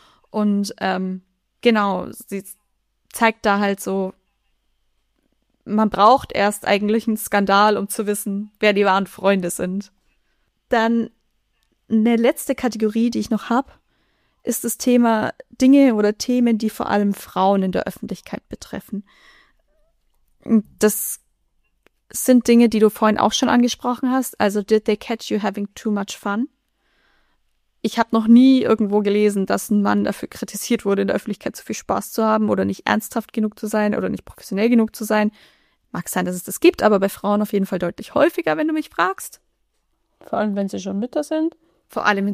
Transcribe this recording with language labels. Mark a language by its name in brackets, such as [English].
[German] Und genau, sie zeigt da halt so, man braucht erst eigentlich einen Skandal, um zu wissen, wer die wahren Freunde sind. Dann eine letzte Kategorie, die ich noch habe, ist das Thema Dinge oder Themen, die vor allem Frauen in der Öffentlichkeit betreffen. Das sind Dinge, die du vorhin auch schon angesprochen hast. [English] Also, did they catch you having too much fun? [German] Ich habe noch nie irgendwo gelesen, dass ein Mann dafür kritisiert wurde, in der Öffentlichkeit zu viel Spaß zu haben oder nicht ernsthaft genug zu sein oder nicht professionell genug zu sein. Mag sein, dass es das gibt, aber bei Frauen auf jeden Fall deutlich häufiger, wenn du mich fragst. Vor allem, wenn sie schon Mütter sind. Vor allem,